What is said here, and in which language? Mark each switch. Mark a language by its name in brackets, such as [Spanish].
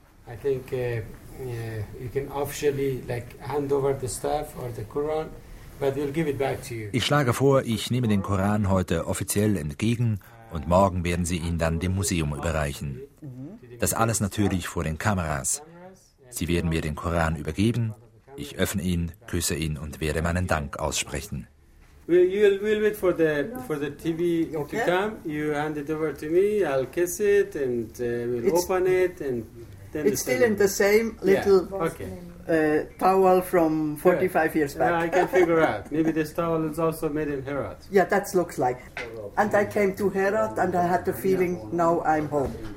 [English] I think you can officially like hand over the staff or the Quran, but we'll give it back to you. [German] Ich schlage vor, ich nehme den Koran heute offiziell entgegen und morgen werden Sie ihn dann dem Museum überreichen. Das alles natürlich vor den Kameras. Sie werden mir den Koran übergeben. Ich öffne ihn, küsse ihn und werde meinen Dank aussprechen. [English] We'll wait for the TV to come. You hand it over to me. I'll kiss it and we'll open it and then it's still in the same little towel from 45 years back. I can figure out. Maybe this towel is also made in Herat. Yeah, that looks like. And I came to Herat and I had the feeling now I'm home.